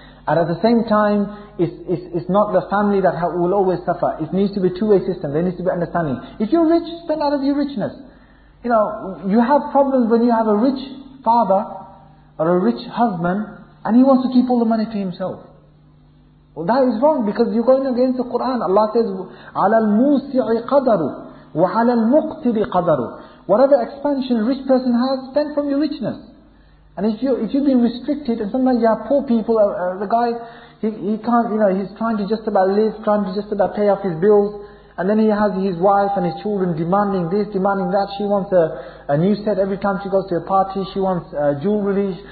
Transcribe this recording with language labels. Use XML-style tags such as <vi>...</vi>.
<en>And at the same time, it's not the family that will always suffer. It needs to be a two-way system. There needs to be understanding. If you're rich, spend out of your richness. You know, you have problems when you have a rich father or a rich husband and he wants to keep all the money to himself. Well, that is wrong because you're going against the Quran. Allah says,</en> <ar>عَلَى الْمُوسِعِ قَدَرُ وَعَلَى الْمُقْتِرِ قَدَرُ.</ar> <en>Whatever expansion a rich person has, spend from your richness. And if you've been restricted, and sometimes you have poor people, the guy, he can't, you know, he's trying to just about live, trying to just about pay off his bills, and then he has his wife and his children demanding this, demanding that. She wants a new set every time she goes to a party. She wants jewelry.</en>